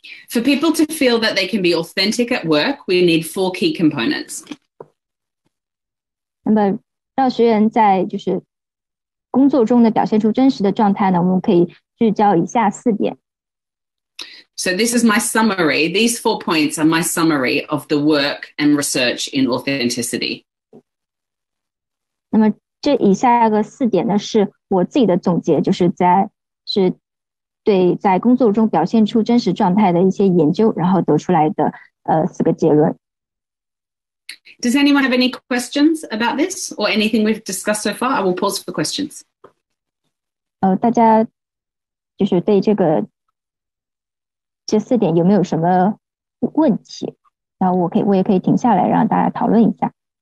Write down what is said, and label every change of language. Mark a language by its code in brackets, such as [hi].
[en] For people to feel that they can be authentic at work, we need 4 key components. [zh] 那么让学员在就是工作中的表现出真实的状态呢，我们可以聚焦以下四点。 [en] So this is my summary. These 4 points are my summary of the work and research in authenticity. [zh] 那么这以下个四点呢，是我自己的总结，就是对在工作中表现出真实状态的一些研究，然后得出来的四个结论。 [en] Does anyone have any questions about this or anything we've discussed so far? I will pause for questions. [zh] 大家就是对这四点有没有什么问题？然后我也可以停下来让大家讨论一下。